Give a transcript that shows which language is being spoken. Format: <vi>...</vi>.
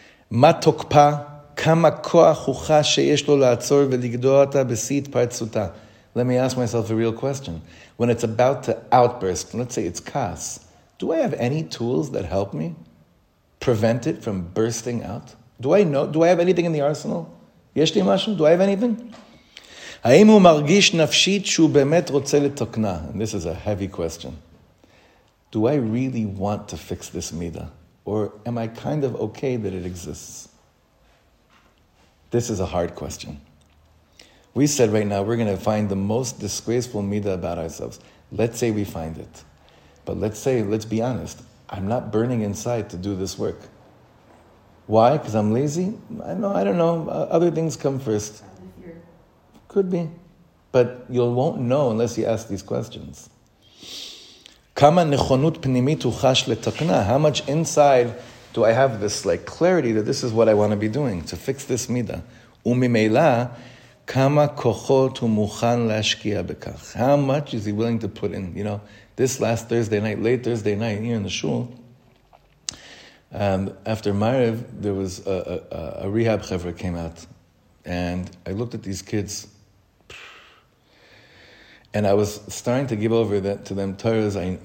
<he>Ma tokpa.</he> <en>Let me ask myself a real question. When it's about to outburst, let's say it's kas, do I have any tools that help me prevent it from bursting out? Do I have anything in the arsenal?</en> <he>Yesh li mashu?</he> <en>Do I have anything?</en> <he>האם הוא מרגיש נפשית שהוא באמת רוצה לתקנה?</he> <en>And this is a heavy question. Do I really want to fix this mida? Or am I kind of okay that it exists? This is a hard question. We said right now we're going to find the most disgraceful mida about ourselves. Let's say we find it. But let's be honest, I'm not burning inside to do this work. Why? Because I'm lazy? I don't know. Other things come first. Could be. But you won't know unless you ask these questions.</en> <he>כמה נכונות פנימית הוחש לתקנה?</he> <en>How much inside do I have this like clarity that this is what I want to be doing, to fix this midah?</en> <he>וממילא, כמה כוחות הוא מוכן להשקיע בכך?</he> <en>How much is he willing to put in? You know, this last Thursday night, late Thursday night, here in the shul, after Maariv, there was a rehab chevra came out. And I looked at these kids, and I was starting to give over that to them Torahs.</en>